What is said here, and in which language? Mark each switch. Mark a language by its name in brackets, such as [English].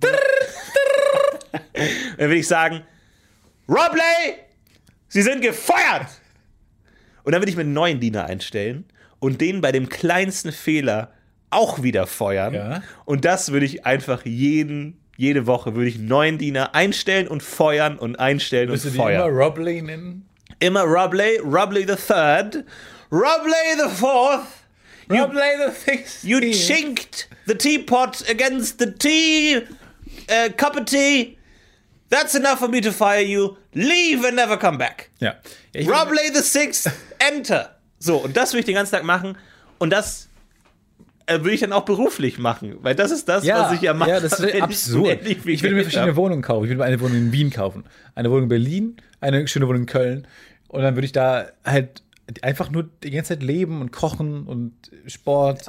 [German] Dann würde ich sagen, Robley, Sie sind gefeuert. Und dann würde ich mir einen neuen Diener einstellen und den bei dem kleinsten Fehler auch wieder feuern. Ja. Und das würde ich einfach jede Woche würde ich einen neuen Diener einstellen und feuern und einstellen und feuern. Müsst du die immer Robley nennen? Immer Robley, Robley the Third, Robley the Fourth, Robley the Sixth. [English] You chinked the teapot against the tea, cup of tea. That's enough for me to fire you. Leave and never come back. [German] Ja. [English] Robley the Sixth, enter. [German] So, und das will ich den ganzen Tag machen. Und das will ich dann auch beruflich machen. Weil das ist das, ja, was ich ja mache. Ja, das ist absurd. Ich würde mir verschiedene Wohnungen kaufen. Ich würde mir eine Wohnung in Wien kaufen. Eine Wohnung in Berlin, eine schöne Wohnung in Köln. Und dann würde ich da halt einfach nur die ganze Zeit leben und kochen und Sport.